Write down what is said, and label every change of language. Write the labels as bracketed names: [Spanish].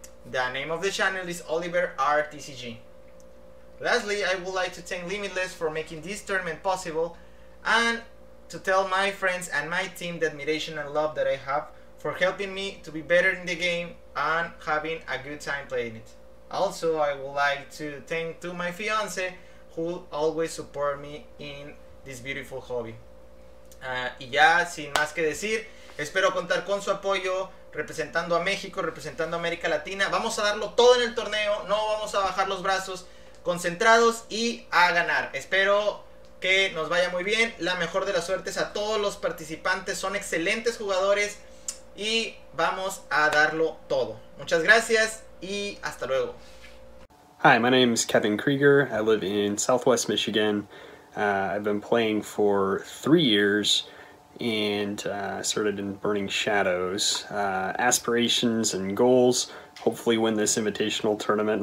[English] The name of the channel is Oliver RTCG. Lastly, I would like to thank Limitless for making this tournament possible and to tell my friends and my team the admiration and love that I have for helping me to be better in the game and having a good time playing it. Also, I would like to thank to my fiance who always support me in this beautiful hobby. [Spanish] Y ya, sin más que decir, espero contar con su apoyo representando a México, representando a América Latina. Vamos a darlo todo en el torneo, no vamos a bajar los brazos, concentrados y a ganar. Espero que nos vaya muy bien, la mejor de las suertes a todos los participantes, son excelentes jugadores y vamos a darlo todo. Muchas gracias y hasta luego. [English] Hi, my name is Kevin Krieger. I live in Southwest Michigan. I've been playing for 3 years, and sort of in Burning Shadows. Aspirations and goals, hopefully win this Invitational tournament.